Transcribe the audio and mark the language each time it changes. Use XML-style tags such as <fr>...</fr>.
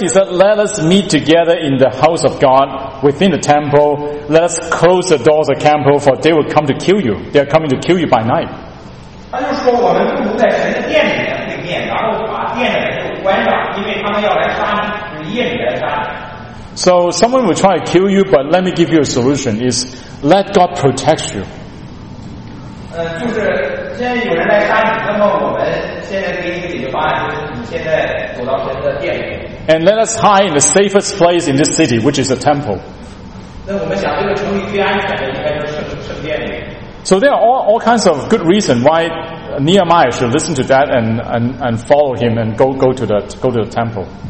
<en>he said, "Let us meet together in the house of God within the temple. Let us close the doors of the temple, for they will come to kill you. They are coming to kill you by night."</en> <zh>他就说，我们不如在神的殿里面会面，然后把殿的门都关上，因为他们要来杀你，是夜里来杀你。</zh> <en>So someone will try to kill you, but let me give you a solution: is let God protect you.</en> <zh>就是现在有人来杀你，那么我们现在给你解决方案，就是你现在走到神的殿里。</zh> <en>And let us hide in the safest place in this city, which is a temple.</en> <zh>那我们想，这个城里最安全的应该就是圣殿里。</zh> <en>So there are all kinds of good reasons why Nehemiah should listen to that and follow him and go to the temple.</en>